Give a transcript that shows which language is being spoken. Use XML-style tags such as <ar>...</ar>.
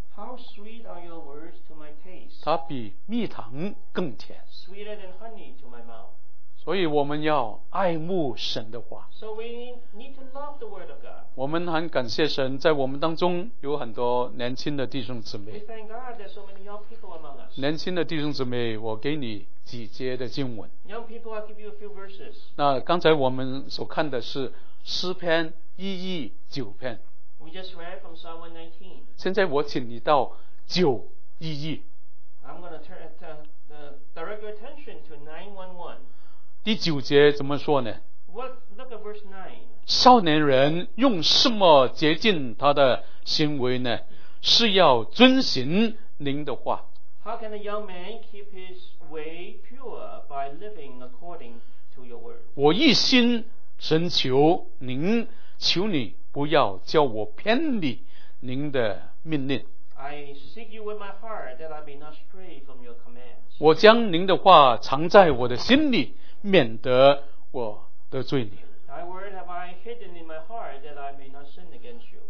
<en>How sweet are your words to my taste?</en> <zh>它比蜜糖更甜。</zh> <en>Sweeter than honey to my mouth.</en> <zh>所以我们要爱慕神的话。</zh> <en>So we need to love the word of God.</en> <zh>我们很感谢神，在我们当中有很多年轻的弟兄姊妹。</zh> <en>We thank God there's so many young people among us.</en> <zh>年轻的弟兄姊妹，我给你几节的经文。</zh> <en>Young people, I'll give you a few verses.</en> <zh>那刚才我们所看的是诗篇119篇。</zh> <en>We just read from Psalm 119.</en> <zh>现在我请你到911。</zh> <en>I'm going to turn direct your attention to 911.</en> <zh>第九节怎么说呢？</zh> <en>Look at verse 9.</en> <zh>少年人用什么洁净他的行为呢？是要遵循您的话。</zh> <en>How can a young man keep his way pure by living according to your word?</en> <zh>我一心寻求您，求你不要叫我偏离您的命令。</zh> <en>I seek you with my heart that I may not stray from your commands.</en> <zh>我将您的话藏在我的心里，免得我得罪你。</zh> <en>Thy word have I hidden in my heart that I may not sin against you.</en>